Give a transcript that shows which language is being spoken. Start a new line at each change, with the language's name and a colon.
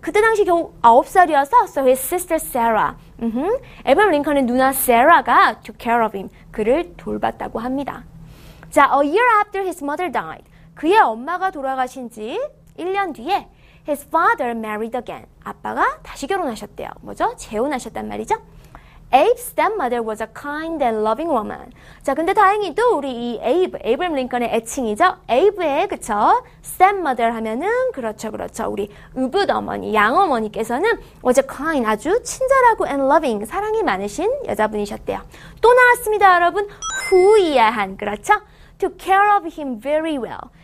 Korean: 그때 당시 겨우 9살이어서
English: so his sister Sarah.
Korean: 에브럼 링컨의 누나 Sarah가
English: took care of him.
Korean: 그를 돌봤다고 합니다. 자,
English: a year after his mother died.
Korean: 그의 엄마가 돌아가신 지 1년 뒤에
English: his father married again.
Korean: 아빠가 다시 결혼하셨대요. 뭐죠? 재혼하셨단 말이죠.
English: Abe's stepmother was a kind and loving woman.
Korean: 자, 근데 다행히도 우리 이 Abe, 에이브럼 링컨의 애칭이죠? Abe의, 그쵸? stepmother 하면은, 그렇죠, 그렇죠. 우리 으부더머니, 양어머니께서는 was a kind, 아주 친절하고 and loving, 사랑이 많으신 여자분이셨대요. 또 나왔습니다, 여러분. Who이야 한, 그렇죠?
English: took care of him very well.